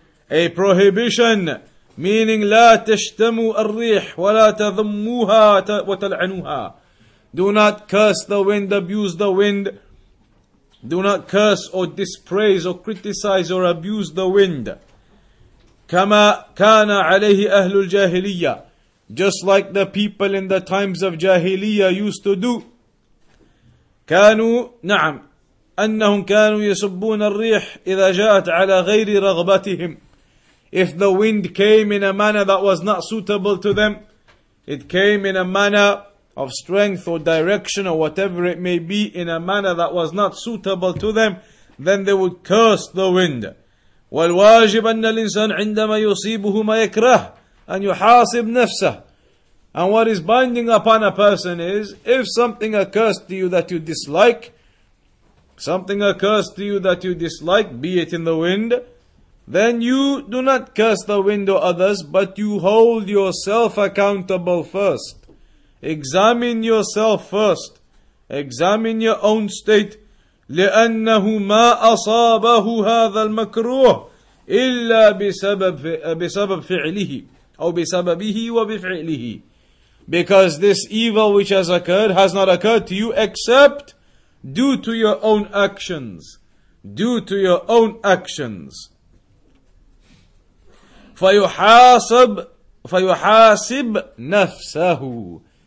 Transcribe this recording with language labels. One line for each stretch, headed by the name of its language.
English: A prohibition meaning
Arabic: لا تشتموا الريح ولا تذموها وتلعنوها.
English: Do not curse the wind, abuse the wind. Do not curse or dispraise or criticize or abuse the wind.
Arabic: كما كان عليه أهل الجاهلية.
English: Just like the people in the times of جاهلية used to do.
Arabic: كانوا نعم أنهم كانوا يسبون الريح إذا جاءت على غير رغبتهم.
English: If the wind came in a manner that was not suitable to them, it came in a manner of strength or direction or whatever it may be, in a manner that was not suitable to them, then they would curse the wind.
Arabic: والواجب أن الإنسان عندما يصيبه ما يكره أن يحاسب نفسه.
English: And what is binding upon a person is, if something occurs to you that you dislike, something occurs to you that you dislike, be it in the wind, then you do not curse the wind or others, but you hold yourself accountable first. Examine yourself first. Examine your own state.
Arabic: لأنه ما أصابه هذا المكروه إلا بسبب فعله أو بسببه وبفعله.
English: Because this evil which has occurred has not occurred to you except due to your own actions. Due to your own actions.
Arabic: فيحاسب نفسه.